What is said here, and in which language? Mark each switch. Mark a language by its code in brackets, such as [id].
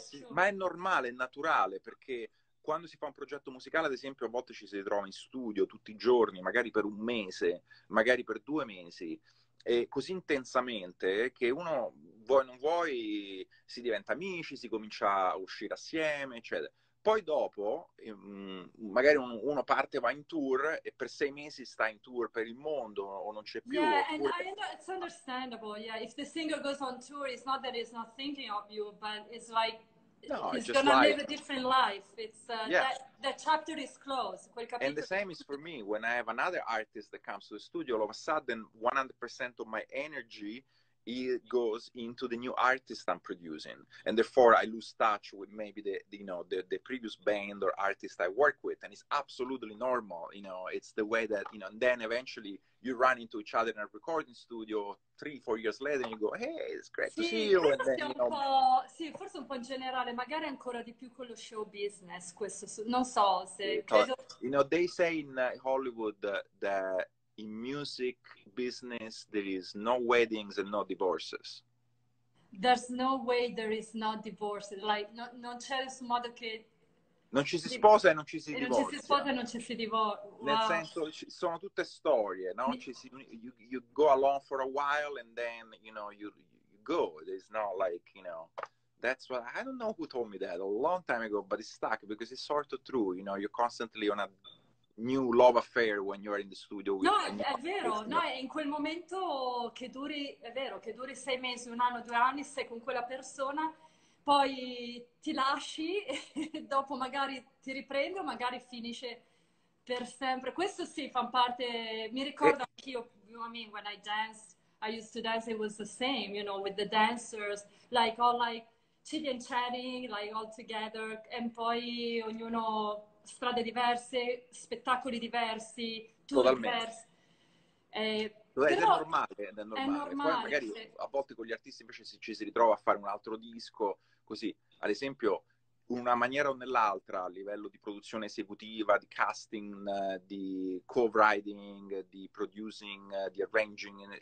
[it] Ma è normale, è naturale, perché quando si fa un progetto musicale, ad esempio, a volte ci si ritrova in studio tutti i giorni, magari per un mese, magari per due mesi, e così intensamente che uno, vuoi non vuoi, si diventa amici, si comincia a uscire assieme, eccetera. Poi dopo, magari uno parte, va in tour, e per sei mesi sta in tour per il mondo, o non c'è più. [en] It's understandable, yeah. If the singer goes on tour, it's not that he's not thinking of you, but it's like, he's gonna live a different life. It's that chapter is closed. [it] Quel capitolo... [en] And the same is for me. When I have another artist that comes to the studio, all of a sudden, 100% of my energy it goes into the new artist I'm producing, and therefore I lose touch with maybe the previous band or artist I work with, and it's absolutely normal. You know, it's the way that, you know, and then eventually you run into each other in a recording studio 3-4 years later and you go, hey, it's great to see you. And then, [it] sì, forse un po' in generale, magari ancora di più con lo show business, questo, non so se [en] you know, they say in Hollywood that in music business, there is no weddings and no divorces. There's no way there is no divorce. Like, [it] no, non c'è nessun modo che... Non ci si sposa e non ci si divorzia. Non ci si sposa e non ci si divorzia. Nel senso, sono tutte storie, no? [en] You go along for a while and then, you know, you go. It's not like, you know... That's what, I don't know who told me that a long time ago, but it's stuck because it's sort of true. You know, you're constantly on a... new love affair when you're in the studio with [it] no è vero no è in quel momento che duri è vero che duri 6 mesi, 1 anno, 2 anni, sei con quella persona, poi ti lasci e dopo magari ti riprendo, magari finisce per sempre. Questo sì, fa parte, mi ricordo anch'io. [en] I mean, when I danced, I used to dance, it was the same, you know, with the dancers, like all like chitting, chatting, like all together, [it] e poi ognuno strade diverse, spettacoli diversi, tour diversi. È normale. Poi magari a volte con gli artisti invece ci si ritrova a fare un altro disco, così, ad esempio, in una maniera o nell'altra, a livello di produzione esecutiva, di casting, di co-writing, di producing, di arranging.